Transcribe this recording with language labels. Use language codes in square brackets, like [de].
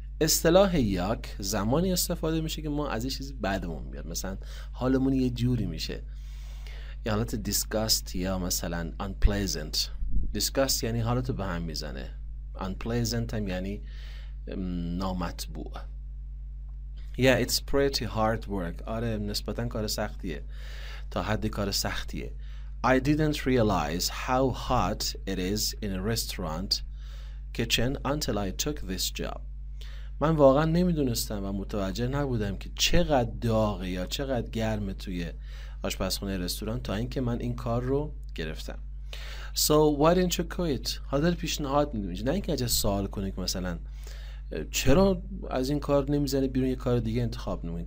[fa] اصطلاح یاک زمانی استفاده میشه که ما از یه چیزی بدمون بیاد، مثلا حالمون یه جوری میشه، یا حالت disgust یا مثلا unpleasant. disgust یعنی حالت به هم میزنه، unpleasant هم یعنی نامطبوع. [en] Yeah, it's pretty hard work. [fa] آره نسبتا کار سختیه، تا حدی کار سختیه. [en] I didn't realize how hot it is in a restaurant kitchen until I took this job. [fa] من واقعا نمیدونستم و متوجه نبودم که چقدر داغه یا چقدر گرمه توی آشپزخونه رستوران تا اینکه من این کار رو گرفتم. [en] So why didn't you quit? [fa] حاضر پیشنهاد میدونی؟ نه اینکه اجازه سوال کنی که مثلا چرا از این کار نمیزنی بیرون یک کار دیگه انتخاب نمی.